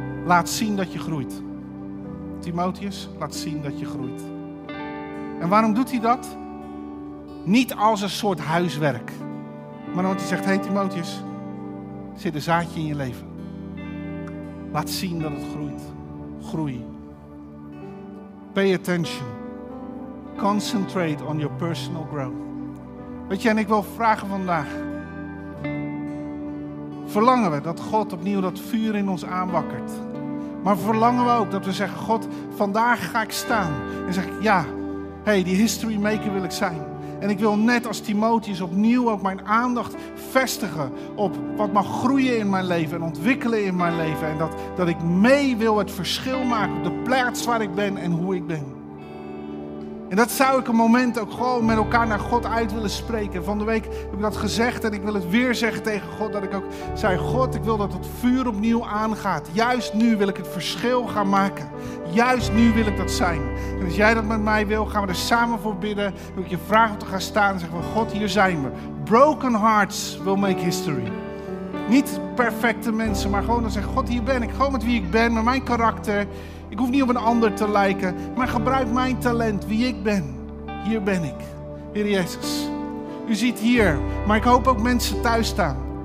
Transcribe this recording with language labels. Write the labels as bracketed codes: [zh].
[nl] Laat zien dat je groeit. Timotheus, laat zien dat je groeit. En waarom doet hij dat? Niet als een soort huiswerk. Maar omdat hij zegt, hey Timotheus, zit een zaadje in je leven. Laat zien dat het groeit. Groei. [en] Pay attention. Concentrate on your personal growth. [nl] Weet je, en ik wil vragen vandaag. Verlangen we dat God opnieuw dat vuur in ons aanwakkert? Maar verlangen we ook dat we zeggen, God, vandaag ga ik staan. En zeg ik, ja, hey, die history maker wil ik zijn. En ik wil net als Timotheus opnieuw ook mijn aandacht vestigen op wat mag groeien in mijn leven en ontwikkelen in mijn leven. En dat ik mee wil het verschil maken op de plaats waar ik ben en hoe ik ben. En dat zou ik een moment ook gewoon met elkaar naar God uit willen spreken. Van de week heb ik dat gezegd en ik wil het weer zeggen tegen God. Dat ik ook zei, God, ik wil dat het vuur opnieuw aangaat. Juist nu wil ik het verschil gaan maken. Juist nu wil ik dat zijn. En als jij dat met mij wil, gaan we er samen voor bidden. Wil ik je vragen om te gaan staan en zeggen van, God, hier zijn we. [en] Broken hearts will make history. [nl] Niet perfecte mensen, maar gewoon dan zeggen, God, hier ben ik. Gewoon met wie ik ben, met mijn karakter. Ik hoef niet op een ander te lijken, maar gebruik mijn talent, wie ik ben. Hier ben ik, Heer Jezus. U ziet hier, maar ik hoop ook mensen thuis staan.